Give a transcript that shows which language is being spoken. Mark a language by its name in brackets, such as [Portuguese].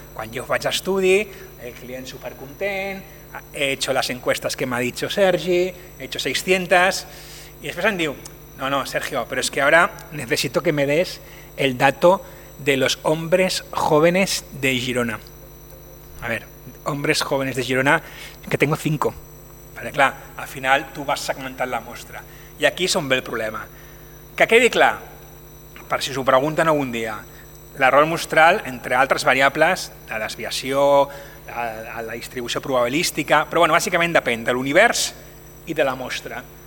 [Catalan] Quan jo faig estudi, el client supercontent, [Spanish] he hecho [Catalan] les enquestes que m'ha dit Sergi, he hecho 600, i després em diu, no, Sergio, però és que ara necessito que [Spanish] me des el dato de los hombres jóvenes de Girona. A ver, hombres jóvenes de Girona, que tengo 5. [Catalan] Perquè clar, al final tu vas segmentant la mostra. I aquí és on ve el problema. Que quedi clar, per si s'ho pregunten algun dia, l'error mostral, entre altres variables, la desviació, la distribució probabilística, però bueno, bàsicament depèn de l'univers i de la mostra.